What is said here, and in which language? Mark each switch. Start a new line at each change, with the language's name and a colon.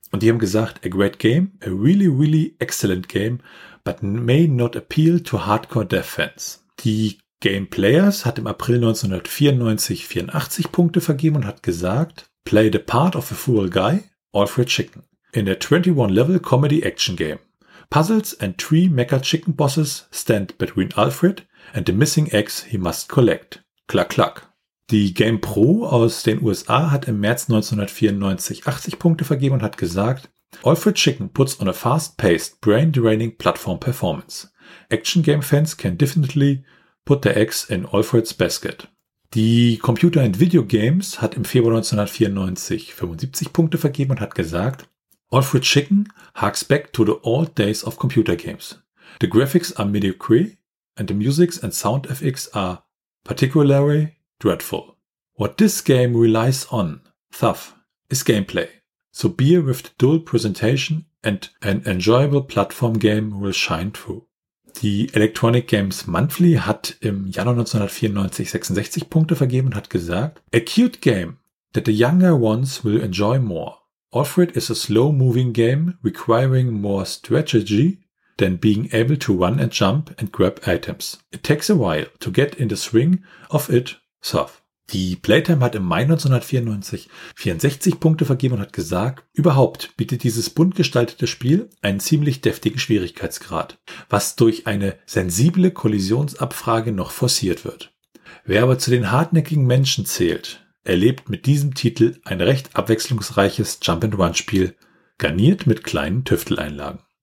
German: Und die haben gesagt,
English: a great game, a really, really excellent game, but may not appeal to hardcore dev fans.
German: Die Game Players hat im April 1994 84 Punkte vergeben und hat gesagt,
English: play the part of a fool guy, Alfred Chicken, in a 21-Level Comedy Action Game. Puzzles and three Mecha Chicken Bosses stand between Alfred and the missing eggs he must collect. Klack, klack.
German: Die Game Pro aus den USA hat im März 1994 80 Punkte vergeben und hat gesagt,
English: Alfred Chicken puts on a fast-paced, brain-draining platform performance. Action Game Fans can definitely put the eggs in Alfred's basket.
German: Die Computer and Video Games hat im Februar 1994 75 Punkte vergeben und hat gesagt,
English: Alfred Chicken harks back to the old days of computer games. The graphics are mediocre and the musics and sound effects are particularly dreadful. What this game relies on, Thuf, is gameplay. So beer with the dual presentation and an enjoyable platform game will shine through.
German: Die Electronic Games Monthly hat im Januar 1994 66 Punkte vergeben und hat gesagt,
English: a cute game that the younger ones will enjoy more. Alfred is a slow-moving game requiring more strategy than being able to run and jump and grab items. It takes a while to get in the swing of it, Surf.
German: Die Playtime hat im Mai 1994 64 Punkte vergeben und hat gesagt, überhaupt bietet dieses bunt gestaltete Spiel einen ziemlich deftigen Schwierigkeitsgrad, was durch eine sensible Kollisionsabfrage noch forciert wird. Wer aber zu den hartnäckigen Menschen zählt, erlebt mit diesem Titel ein recht abwechslungsreiches Jump-and-Run-Spiel, garniert mit kleinen Tüfteleinlagen.